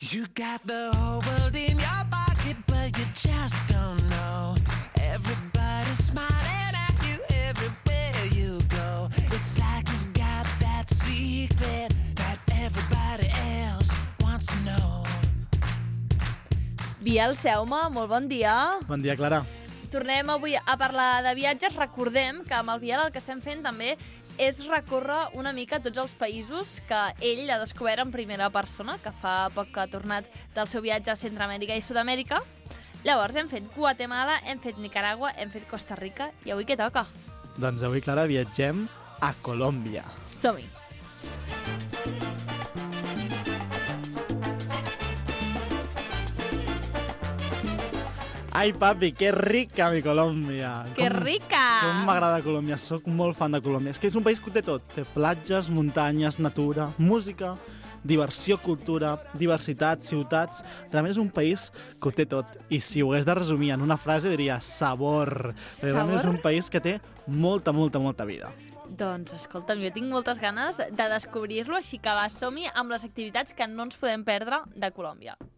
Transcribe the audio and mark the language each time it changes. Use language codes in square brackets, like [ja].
[en] You got the whole world in your pocket, but you just don't know. Everybody's smiling at you everywhere you go. It's like you've got that secret that everybody else wants to know. [ca] Biel Seuma, molt bon dia. Bon dia, Clara. Tornem avui a parlar de viatges. Recordem que amb el Biel el que estem fent també és recórrer una mica tots els països que ell ha descobert en primera persona, que fa poc que ha tornat del seu viatge a Centroamèrica i Sud-amèrica. Llavors, hem fet Guatemala, hem fet Nicaragua, hem fet Costa Rica, i avui què toca? Doncs avui, Clara, viatgem a Colòmbia. Som-hi! [es] Ai, papi, que rica mi Colòmbia! Que rica! [ca] Com m'agrada Colòmbia, sóc molt fan de Colòmbia. És que és un país que té tot. Té platges, muntanyes, natura, música, diversió, cultura, diversitat, ciutats... Realment és un país que ho té tot. I si ho hagués de resumir en una frase, diria sabor. Sabor? Realment és un país que té molta, molta, molta vida. Doncs, escolta'm, jo tinc moltes ganes de descobrir-lo, així que va, som-hi amb les activitats que no ens podem perdre de Colòmbia.